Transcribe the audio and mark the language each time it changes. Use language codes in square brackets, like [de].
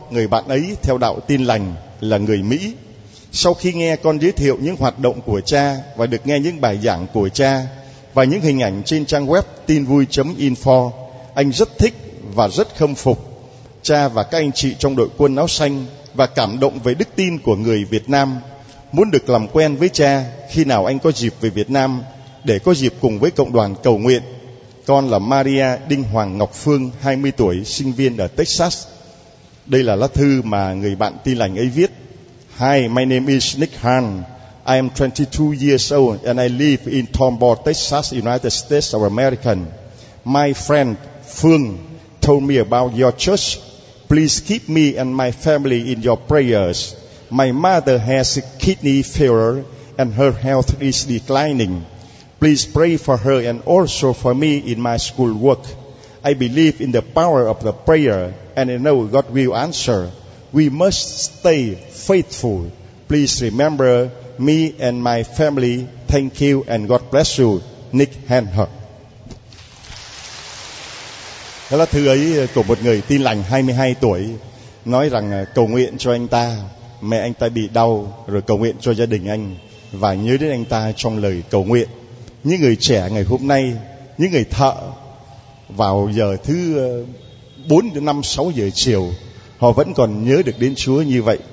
[vi] Người bạn ấy theo đạo Tin Lành, là người Mỹ. Sau khi nghe con giới thiệu những hoạt động của cha và được nghe những bài giảng của cha và những hình ảnh trên trang web tinvui.info, anh rất thích và rất khâm phục cha và các anh chị trong đội quân áo xanh và cảm động về đức tin của người Việt Nam. Muốn được làm quen với cha khi nào anh có dịp về Việt Nam để có dịp cùng với cộng đoàn cầu nguyện. Con là Maria Đinh Hoàng Ngọc Phương, 20 tuổi, sinh viên ở Texas. Đây là lá thư mà người bạn Tin Lành ấy viết. [en] Hi, my name is Nick Hahn. I am 22 years old and I live in Tomball, Texas, United States of America. My friend Phương told me about your church. Please keep me and my family in your prayers. My mother has a kidney failure and her health is declining. Please pray for her and also for me in my school work. I believe in the power of the prayer and I know God will answer. We must stay faithful. Please remember me and my family. Thank you and God bless you. Nick Hanhart. [vi] Đó là thư ấy của một người Tin Lành 22 tuổi, nói rằng cầu nguyện cho anh ta, mẹ anh ta bị đau, rồi cầu nguyện cho gia đình anh và nhớ đến anh ta trong lời cầu nguyện. Những người trẻ ngày hôm nay, những người thợ vào giờ thứ 4, 5, 6 giờ chiều, họ vẫn còn nhớ được đến Chúa như vậy.